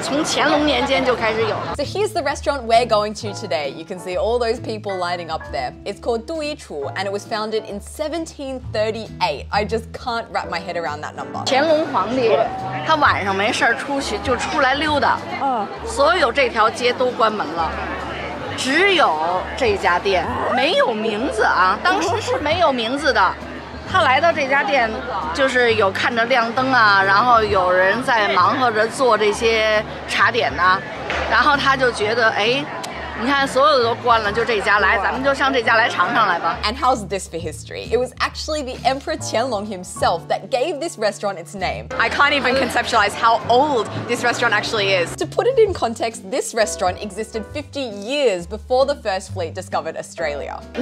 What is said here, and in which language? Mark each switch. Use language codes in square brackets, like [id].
[en] So here's the restaurant we're going to today. You can see all those people lining up there. It's called Du Yi Chu and it was founded in 1738. I just can't wrap my head around that number. [zh] 乾隆皇帝他晚上没事出去就出来溜达 所有这条街都关门了，只有这家店没有名字啊，当时是没有名字的。他来到这家店，就是有看着亮灯啊，然后有人在忙活着做这些茶点呐，然后他就觉得哎。 [en] And how's this for history? It was actually the Emperor Qianlong himself that gave this restaurant its name. I can't even conceptualize how old this restaurant actually is. To put it in context, this restaurant existed 50 years before the first fleet discovered Australia.